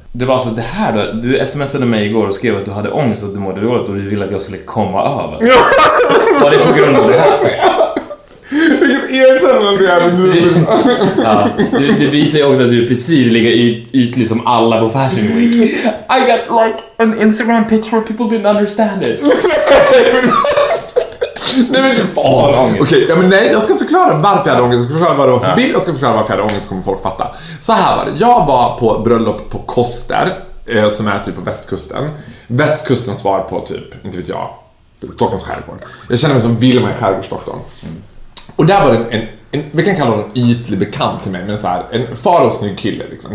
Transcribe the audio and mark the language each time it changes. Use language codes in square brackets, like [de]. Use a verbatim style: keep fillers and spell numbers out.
[sv] Det var alltså det här då. Du smsade mig igår och skrev att du hade ångest och du mådde dåligt och du ville att jag skulle komma över. Var det på grund av det här? Vilket erkännande det är nu. Ja, det, det visar ju också att du precis ligger yt, ytlig som alla på Fashion Week. [en] I got like an Instagram picture where people didn't understand it. [sv] Nej men fan. Okej, okay, ja, men nej, jag ska förklara varför jag hade ångest. Jag ska förklara vad det var för bild. Jag ska förklara varför jag hade ångest, kommer folk fatta. Så här var det. Jag var på bröllop på Koster, eh, som är typ på västkusten. Västkusten svar på typ, inte vet jag, Stockholms skärgård. Jag känner mig som Vilma i skärgårdsdoktorn. Mm. Och där var det en, en, vi kan kalla honom ytlig bekant till mig, men så här, en farosnygg kille liksom.